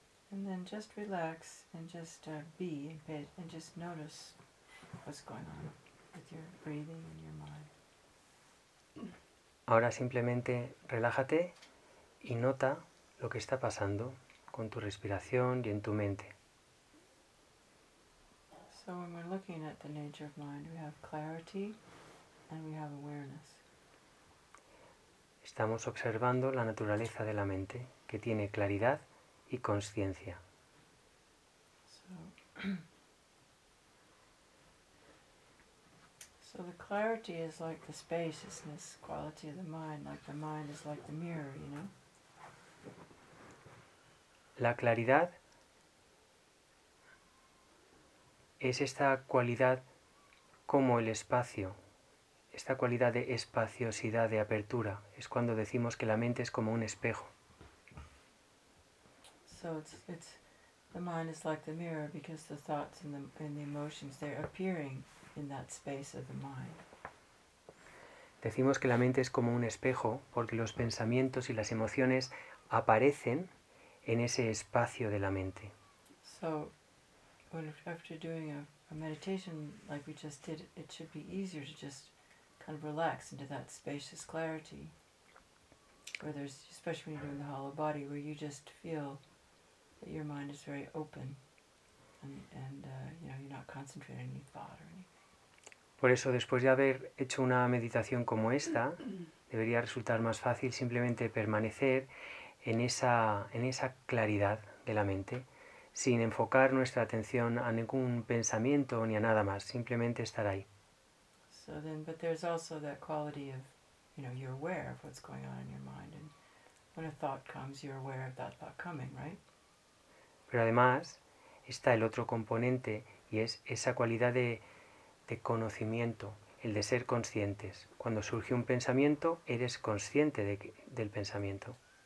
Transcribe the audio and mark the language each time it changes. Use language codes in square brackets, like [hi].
[en] and just relax and just be and just notice what's going on with your breathing and your mind. [es] Ahora simplemente relájate y nota lo que está pasando con tu respiración y en tu mente. [en] So when we're looking at the nature of mind, we have clarity and we have awareness. [es] Estamos observando la naturaleza de la mente, que tiene claridad y conciencia. [en] So the clarity is like the spaciousness quality of the mind, like the mind is like the mirror, you know? [es] La claridad es esta cualidad como el espacio, esta cualidad de espaciosidad, de apertura. Es cuando decimos que la mente es como un espejo. [en] So it's the mind is like the mirror because the thoughts and the emotions, they're appearing in that space of the mind. [es] Decimos que la mente es como un espejo porque los pensamientos y las emociones aparecen en ese espacio de la mente. [en] So, when after doing a meditation like we just did, it should be easier to just kind of relax into that spacious clarity. Where there's, especially when you're doing the hollow body, where you just feel that your mind is very open, and you know, you're not concentrating on any thought or anything. [es] Por eso, después de haber hecho una meditación como esta, debería resultar más fácil simplemente permanecer en esa claridad de la mente, sin enfocar nuestra atención a ningún pensamiento ni a nada más, simplemente estar ahí. [en] So then, but there's also that quality of, you know, you're aware of what's going on in your mind, and when a thought comes, you're aware of that thought coming, right? [es] Pero además está el otro componente, y es esa cualidad de conocimiento, el de ser conscientes. Cuando surge un pensamiento, eres consciente del pensamiento.